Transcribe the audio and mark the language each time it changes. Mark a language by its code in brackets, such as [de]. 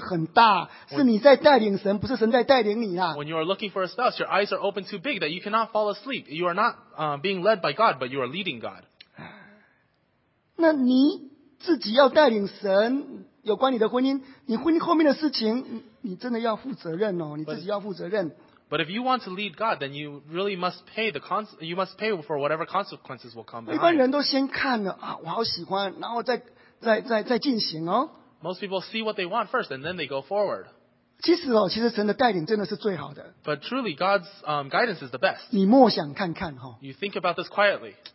[zh] 你在找对象的时候,眼睛哦,都没有睡着,你睁得很大,是你在带领神,不是神在带领你啦。 [en] When you are looking for a spouse, your eyes are open too big that you cannot fall asleep. You are not being led by God, but you are leading God. [zh] 那你自己要带领神,有关你的婚姻,你婚姻后面的事情,你真的要负责任哦,你自己要负责任。 [en] But if you want to lead God, then you really must pay for whatever consequences will come. [zh] 一般人都先看了,啊,我好喜欢,然后再进行哦。 [en] Most people see what they want first, and then they go forward. [zh] 其实哦,其实神的带领真的是最好的。 [en] But truly, God's guidance is the best. [zh] 你默想看看哦。 [en] You think about this quietly.